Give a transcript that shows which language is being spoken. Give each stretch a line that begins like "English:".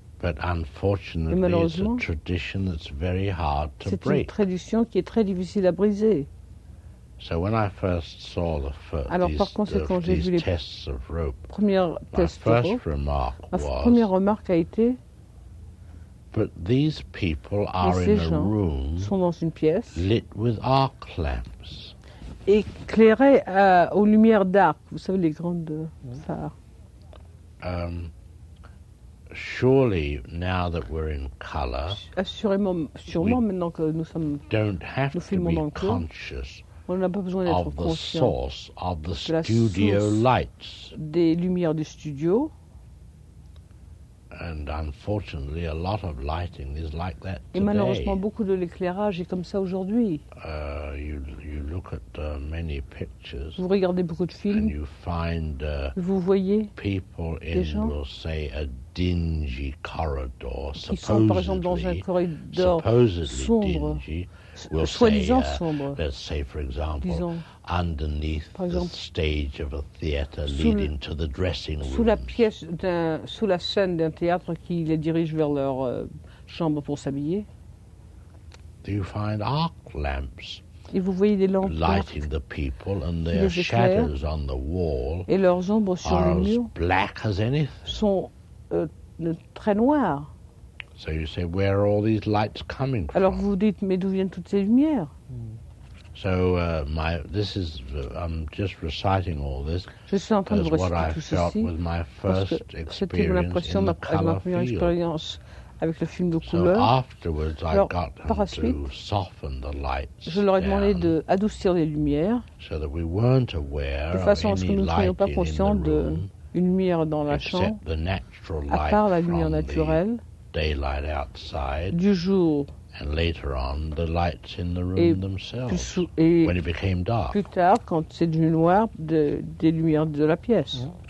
English: But unfortunately, it's a tradition that's very hard to break.
French: C'est une tradition qui est très difficile à briser.
English: So when I first saw the first tests of rope,
French: ma première remarque a été,
English: but these people are in a room
French: sont dans une pièce
English: lit with arc lamps,
French: éclairé aux lumières d'arc, vous savez les grandes phares.
English: Surely, now that we're in color,
French: sûrement maintenant que nous sommes,
English: don't have
French: nous filmons
English: to be
French: dans le
English: conscious.
French: On n'a pas besoin d'être
English: of the source of the studio lights.
French: Des lumières du studio.
English: And unfortunately, a lot of lighting is like that today.
French: Et malheureusement, beaucoup de l'éclairage est comme ça aujourd'hui.
English: You look at many pictures.
French: Vous regardez beaucoup de films.
English: And you find
French: vous voyez
English: people in, we'll say, a dingy corridor.
French: Sont par exemple dans un corridor sombre.
English: Dingy. We'll say, for example, underneath the stage of a theater leading to the dressing room.
French: Sous la scène d'un théâtre qui les dirige vers leur chambre pour s'habiller.
English: Do you find arc lamps?
French: Et vous voyez des lampes
English: lighting the people and their shadows on the wall.
French: Et leurs ombres sur le mur.
English: Black as anything.
French: Sont très noires.
English: So you say, where are all these lights coming from?
French: Alors vous dites, mais d'où viennent toutes ces lumières?
English: So I'm just reciting all this.
French: Je suis en train de reciter tout ceci.
English: Felt with my first experience in the
French: ma première expérience avec le film de
English: so
French: couleur.
English: Afterwards, I got to soften the lights.
French: Je leur ai demandé de adoucir les lumières. So that we weren't aware de façon à ce que nous ne soyons pas conscients d'une lumière dans la chambre.
English: The natural light
French: à part la lumière naturelle.
English: Daylight outside,
French: du jour,
English: and later on the lights in the room themselves. When it became dark,
French: plus tard quand c'est devenu noir, des lumières de la pièce.